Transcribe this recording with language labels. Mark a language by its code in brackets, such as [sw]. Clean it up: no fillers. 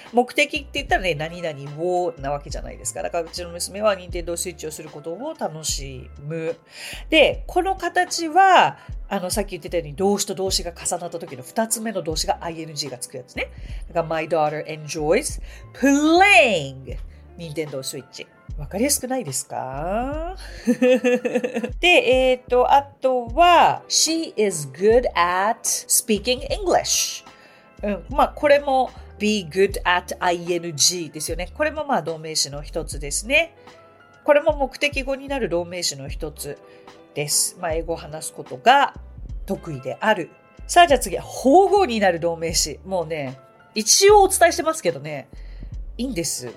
[ja] 目的って言ったらね、何々をなわけじゃないですか。だからうちの娘は Nintendo Switch をすることを楽しむ。でこの形はさっき言ってたように動詞と動詞が重なった時の2つ目の動詞が ing がつくやつね。だから [en] My daughter enjoys playing Nintendo Switch。 [ja] わかりやすくないですか。で、あとは [en] She is good at speaking English。 [ja] うん、まあこれもBe good at ing ですよね。これもまあ動名詞の一つですね。これも目的語になる動名詞の一つです。まあ、英語を話すことが得意である。さあじゃあ次、保護になる同名詞。もうね、一応お伝えしてますけどね、いいんです。